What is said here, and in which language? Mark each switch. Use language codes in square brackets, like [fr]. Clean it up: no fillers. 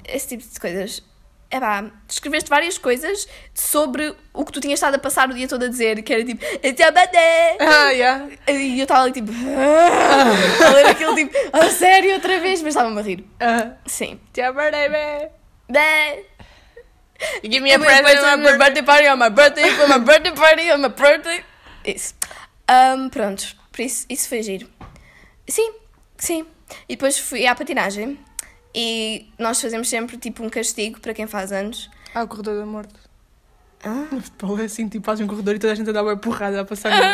[pt] Esse tipo de coisas. É pá, escreveste várias coisas sobre o que tu tinhas estado a passar o dia todo a dizer, que era tipo, até amanhã! [en] Ah, yeah. [pt] E eu estava ali tipo, a ler aquilo tipo, a sério, outra vez, mas estava-me a rir. Sim. Até amanhã, bé! [en] Give me a present on my birthday party, on my birthday, on my birthday party, on my birthday. [pt] Isso. Pronto, por isso, isso foi giro. Sim, sim. E depois fui à patinagem. E nós fazemos sempre tipo um castigo para quem faz anos. Ah, o corredor da morte. Ah? O futebol é assim, tipo, faz um corredor e toda a gente anda a uma porrada a passar.